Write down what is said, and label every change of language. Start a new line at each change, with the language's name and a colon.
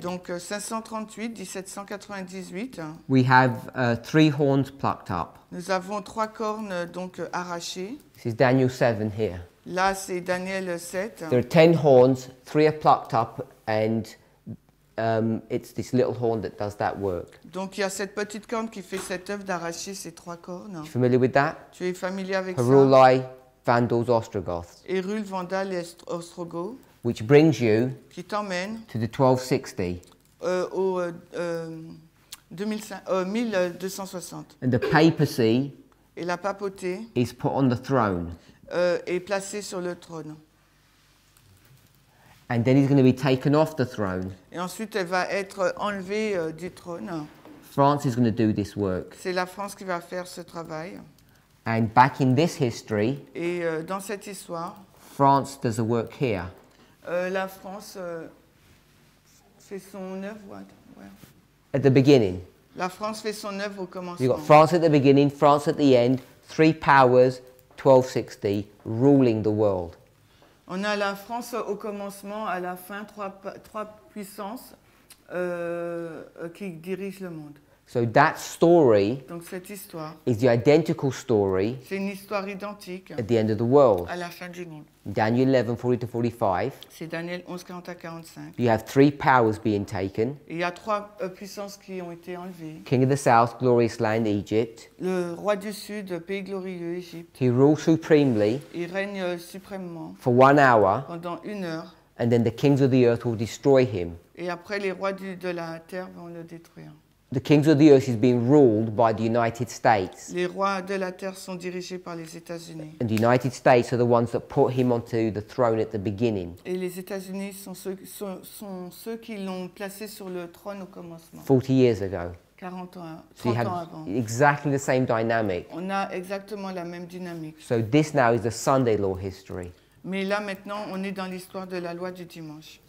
French: Donc 538-1798.
English: We have three horns plucked up.
French: Nous avons trois cornes donc arrachées.
English: This is Daniel 7 here.
French: Là c'est Daniel 7.
English: There are 10 horns, three are plucked up and it's this little horn that does that work.
French: Donc il y a cette petite corne qui fait cette œuvre d'arracher ces trois cornes.
English: You familiar with that?
French: Tu es familier avec
English: Heruli,
French: ça?
English: Vandals, Ostrogoths.
French: Hérule, Vandal et Ostrogoths.
English: Which brings you
French: qui t'emmène
English: to the 1260.
French: Au 1260.
English: And the papacy
French: et la papauté
English: is put on the throne.
French: Est placé sur le trône.
English: And then he's going to be taken off the throne.
French: Et ensuite, elle va être enlevée du trône.
English: France is going to do this work.
French: C'est la France qui va faire ce travail.
English: And back in this history,
French: et dans cette histoire,
English: France does the work here.
French: La France fait son œuvre. Ouais.
English: At the beginning.
French: La France fait son œuvre au commencement.
English: You've got France at the beginning, France at the end, three powers, 1260, ruling the world.
French: On a la France au commencement, à la fin, trois puissances qui dirigent le monde.
English: So that story
French: donc cette histoire
English: is the identical story
French: c'est une histoire identique
English: at the end of the world.
French: À la fin du monde.
English: Daniel 11, 40-45.
French: C'est Daniel 11, 40-45.
English: You have three powers being taken.
French: Il y a trois puissances qui ont été enlevées.
English: King of the South, glorious land, Egypt.
French: Le roi du Sud, pays glorieux, Égypte.
English: He rules supremely.
French: Il règne suprêmement.
English: For 1 hour.
French: Pendant une heure.
English: And then the kings of the earth will destroy him.
French: Et après les rois de la terre vont le détruire.
English: The kings of the earth is being ruled by the United States.
French: Les rois de la terre sont dirigés par les États-Unis.
English: And the United States are the ones that put him onto the throne at the beginning.
French: Et les États-Unis sont ceux qui l'ont placé sur le trône au commencement.
English: 40 years ago.
French: 30 ans avant.
English: Exactly the same dynamic.
French: On a exactement la même dynamique.
English: So this now is the Sunday law history.
French: Mais là maintenant, on est dans l'histoire de la loi du dimanche.